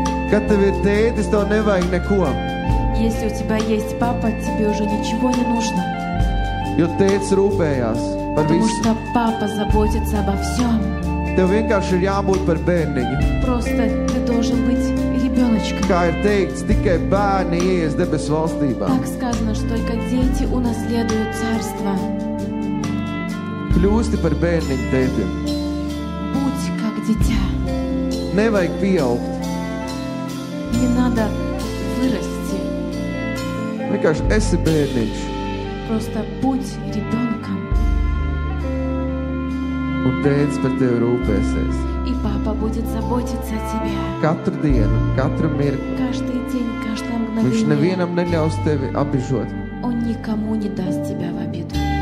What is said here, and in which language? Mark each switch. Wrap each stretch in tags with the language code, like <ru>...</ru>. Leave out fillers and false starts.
<lv>Kad tev ir tētis, tev nevajag neko.</lv> <ru>Если у тебя есть папа, тебе уже ничего не нужно.</ru> <lv>Jo tētis rūpējās.</lv> <ru>Потому что папа заботится обо всем.</ru> <lv>Tev vienkārši ir jābūt par bērniņu.</lv> <ru>Просто ты должен быть ребеночком.</ru> <lv>Kā ir teikts, tikai bērni ies debes valstībā.</lv> <ru>Так сказано, что только дети унаследуют царство.</ru> <lv>Kļūsti par bērniņu tētim.</lv> <ru>Будь как дитя.</ru> <lv>Nevajag pieaugt.</lv> <ru>Не надо вырасти.</ru> <lv>Vienkārši esi bērniņš.</lv> <ru>Просто будь ребенком.</ru> <lv>Un tēts par tevi rūpēsies.</lv> <ru>И папа будет заботиться о тебе.</ru> <lv>Katru dienu, katru mirkli.</lv> <ru>Каждый день, каждое мгновение.</ru> <lv>Viņš nevienam neļaus tevi apbižot.</lv> <ru>Он никому не даст тебя в обиду.</ru>